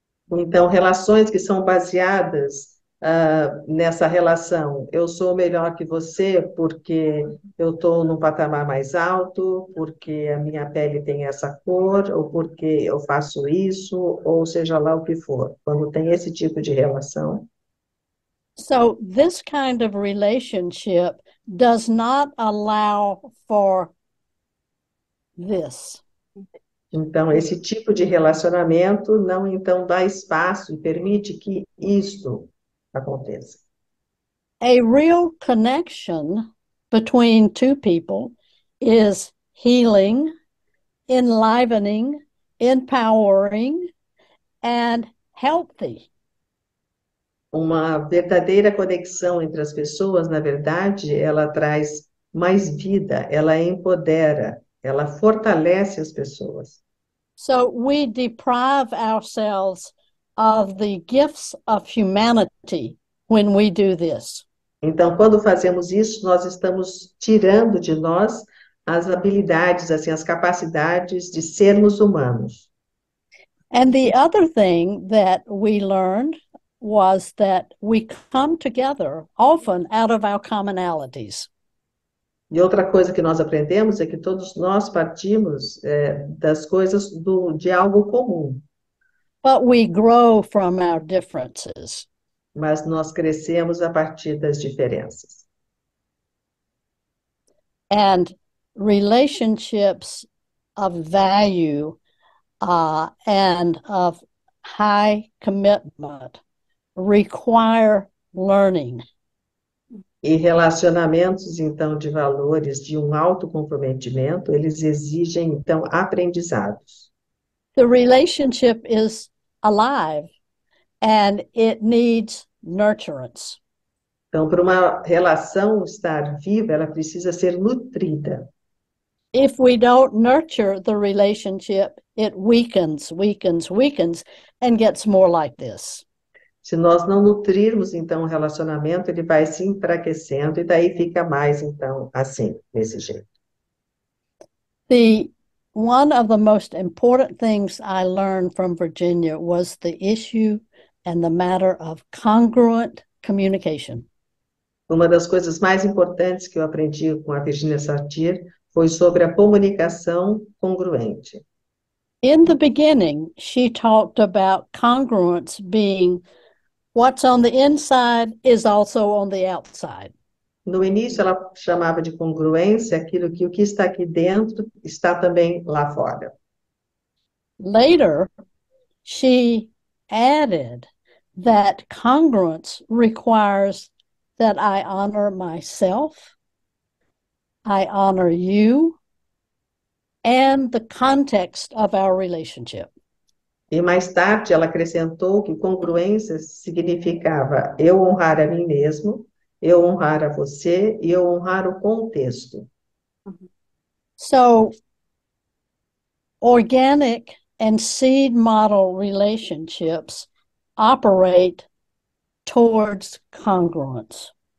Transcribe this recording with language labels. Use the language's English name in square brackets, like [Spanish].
[Portuguese] Então, relações que são baseadas nessa relação. Eu sou melhor que você porque eu estou num patamar mais alto, porque a minha pele tem essa cor, ou porque eu faço isso, ou seja lá o que for. Quando tem esse tipo de relação. [English] So, this kind of relationship does not allow for this. [Portuguese] Então, esse tipo de relacionamento não, então, dá espaço e permite que isso aconteça. [English] A real connection between two people is healing, enlivening, empowering, and healthy. [Portuguese] Uma verdadeira conexão entre as pessoas, na verdade, ela traz mais vida, ela empodera, ela fortalece as pessoas. [English] So we deprive ourselves of the gifts of humanity when we do this. [Portuguese] Então, quando fazemos isso, nós estamos tirando de nós as habilidades, assim, as capacidades de sermos humanos. [English] And the other thing that we learned was that we come together often out of our commonalities. [Portuguese] E outra coisa que nós aprendemos é que todos nós partimos, das coisas de algo comum. [English] But we grow from our differences. [Portuguese] Mas nós crescemos a partir das diferenças. [English] And relationships of value and of high commitment require learning. [Portuguese] E relacionamentos, então, de valores de um alto comprometimento, eles exigem, então, aprendizados. [English] The relationship is alive and it needs nurturance. [Portuguese] Então, para uma relação estar viva, ela precisa ser nutrida. [English] If we don't nurture the relationship, it weakens, weakens, weakens, and gets more like this. [Portuguese] Se nós não nutrirmos, então, o relacionamento, ele vai se enfraquecendo e daí fica mais, então, assim, desse jeito. [English] One of the most important things I learned from Virginia was the issue and the matter of congruent communication. [Portuguese] Uma das coisas mais importantes que eu aprendi com a Virginia Satir foi sobre a comunicação congruente. [English] In the beginning, she talked about congruence being what's on the inside is also on the outside. [Portuguese] No início, ela chamava de congruência aquilo que o que está aqui dentro está também lá fora. [English] Later, she added that congruence requires that I honor myself, I honor you, and the context of our relationship. [Portuguese] E mais tarde, ela acrescentou que congruência significava eu honrar a mim mesmo, eu honrar a você e eu honrar o contexto. [English] So, organic and seed model relationships operate towards congruence.